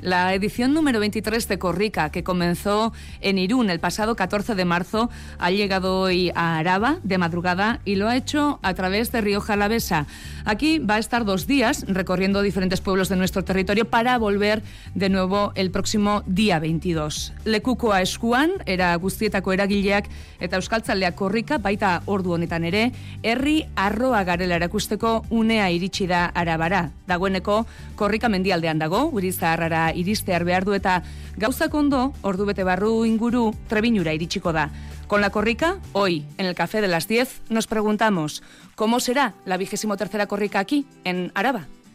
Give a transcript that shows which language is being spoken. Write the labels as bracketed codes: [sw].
[es] La edición número 23 de Korrika, que comenzó en Irún el pasado 14 de marzo, ha llegado hoy a Araba de madrugada y lo ha hecho a través de Rioja Alavesa. Aquí va a estar dos días recorriendo diferentes pueblos de nuestro territorio para volver de nuevo el próximo día 22. [eu] Lekukoa eskuan, era guztietako eragileak eta euskaltzaleak Korrika, baita ordu honetan ere, herri arroa garela erakusteko unea iritsi da Arabara. Dagoeneko Korrika mendialdean dago, Urizarrara iristear behar du eta gauzak ondo, ordubete barru inguru Trebiñura iritsiko da. [es] Con la Korrika, hoy, en el Café de las 10, nos preguntamos, ¿cómo será la 23ª Korrika aquí, en Araba?